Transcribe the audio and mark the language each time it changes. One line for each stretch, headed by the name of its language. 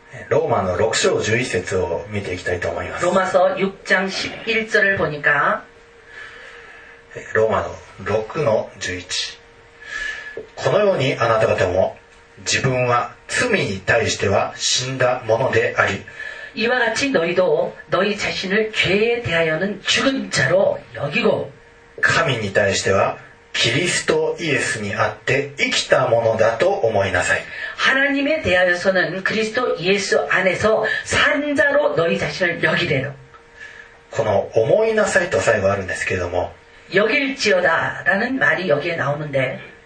Japanese: 로마서6장11절을見ていきたいと思います。
Korean: 로마서6장11절을보니까
Japanese: 로마서6の11このようにあなた方も自分は罪に対しては死んだものであり
Korean: 이와같이너희도너희자신을죄에대하여는죽은자로여기고
Japanese: 神に対してはキリストイエスにあって生きたものだと思いなさい。
Korean: 하나님에대하여서는그리스도예수안에서산자로너희자신을여기래요。
Japanese: この思いなさいと最後あるんですけども
Korean: 여길지어다라는말이여기에나오는데